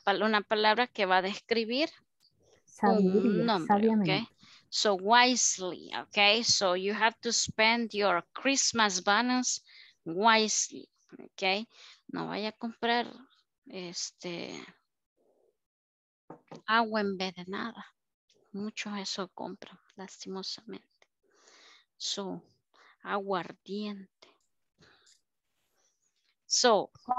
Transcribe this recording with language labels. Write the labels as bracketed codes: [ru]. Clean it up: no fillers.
[es] La, una palabra que va a describir sabiduría, un nombre. Sabiamente. [en] Okay. So wisely, okay. So you have to spend your Christmas bonus wisely, okay. [es] No vaya a comprar este agua en vez de nada. Muchos eso compran, lastimosamente. So, aguardiente. [en] So.